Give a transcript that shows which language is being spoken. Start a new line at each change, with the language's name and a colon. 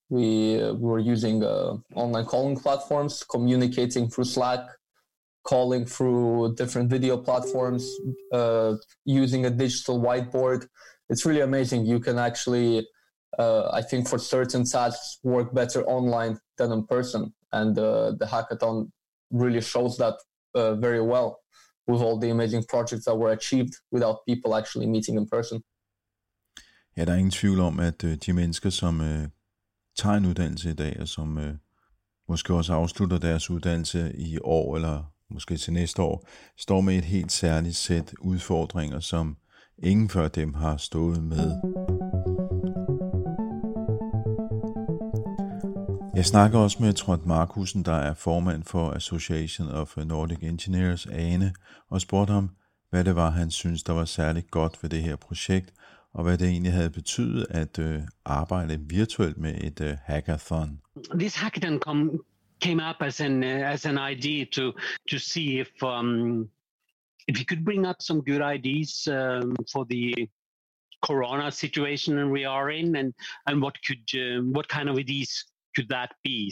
English: We were using online calling platforms, communicating through Slack, calling through different video platforms, using a digital whiteboard. It's really amazing. You can actually, I think for certain tasks, work better online than in person. And the hackathon really shows that very well, with all the amazing projects that were achieved without people actually meeting in person.
Danish: Ja, der er ingen tvivl om, at de mennesker, som tager en uddannelse i dag, og som måske også afslutter deres uddannelse i år, eller måske til næste år, står med et helt særligt sæt udfordringer, som ingen før dem har stået med. Jeg snakker også med Trond Markussen, der er formand for Association of Nordic Engineers, ANE, og spurgte ham, hvad det var, han synes, der var særligt godt ved det her projekt, og hvad det egentlig havde betydet at arbejde virtuelt med et hackathon.
English: This hackathon came up as an idea to see if you could bring up some good ideas for the corona situation we are in, and what could what kind of ideas could that be?